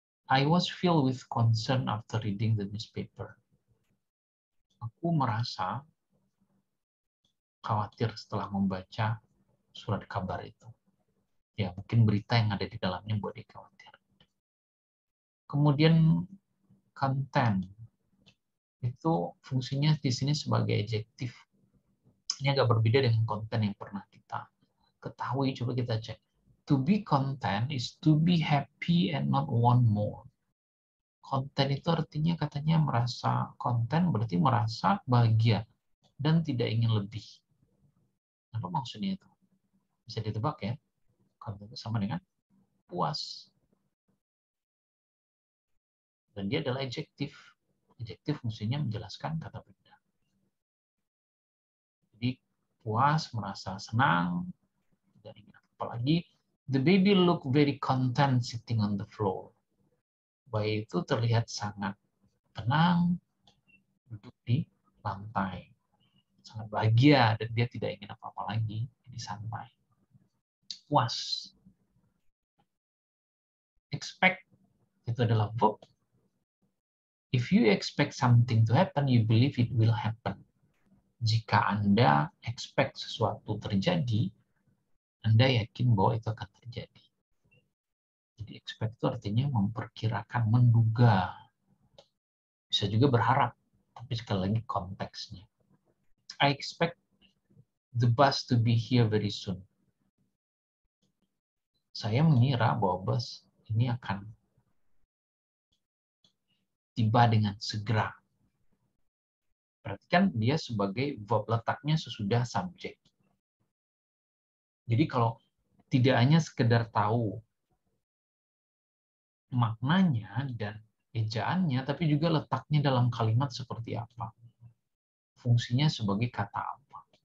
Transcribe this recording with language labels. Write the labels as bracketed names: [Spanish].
[English] I was filled with concern after reading the newspaper. [Indonesian] Aku merasa khawatir setelah membaca surat kabar itu. Ya, mungkin berita yang ada di dalamnya buat dia khawatir. Kemudian content itu fungsinya di sini sebagai adjektif. Ini agak berbeda dengan content yang pernah kita ketahui, coba kita cek. [English] To be content is to be happy and not want more. [Indonesian] Content itu artinya katanya merasa content berarti merasa bahagia dan tidak ingin lebih. Apa maksudnya itu? Bisa ditebak ya. Content itu sama dengan puas. Dan dia adalah adjektif. Adjektif fungsinya menjelaskan kata benda. Jadi puas, merasa senang, dan ingin apalagi, [English] the baby look very content sitting on the floor. [Indonesian] Bayi itu terlihat sangat tenang duduk di lantai. Sangat bahagia dan dia tidak ingin apa-apa lagi. Jadi santai. Puas. Expect, itu adalah verb. [English] If you expect something to happen, you believe it will happen. [Indonesian] Jika Anda expect sesuatu terjadi, Anda yakin bahwa itu akan terjadi. Jadi expect itu artinya memperkirakan, menduga. Bisa juga berharap, tapi sekali lagi konteksnya. [English] I expect the bus to be here very soon. [Indonesian] Saya mengira bahwa bus ini akan tiba dengan segera. Perhatikan dia sebagai verb letaknya sesudah subjek. Jadi kalau tidak hanya sekedar tahu maknanya dan ejaannya, tapi juga letaknya dalam kalimat seperti apa. Fungsinya sebagai kata apa.